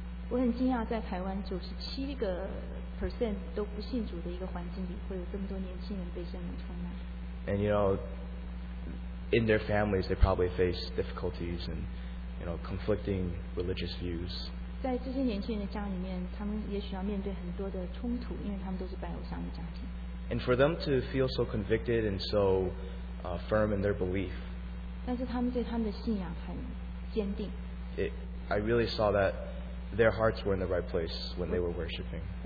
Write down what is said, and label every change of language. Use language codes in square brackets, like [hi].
[zh] 我很惊讶，在台湾97个 percent都不信主的一个环境里，会有这么多年轻人被圣灵充满。 [en] And you know, in their families, they probably face difficulties and, you know, conflicting religious views. [zh] 在这些年轻人的家里面，他们也许要面对很多的冲突，因为他们都是拜偶像的家庭。 [en] And for them to feel so convicted and so firm in their belief. [zh] 但是他们对他们的信仰很坚定。 [en] I really saw that their hearts were in the right place when they were worshiping.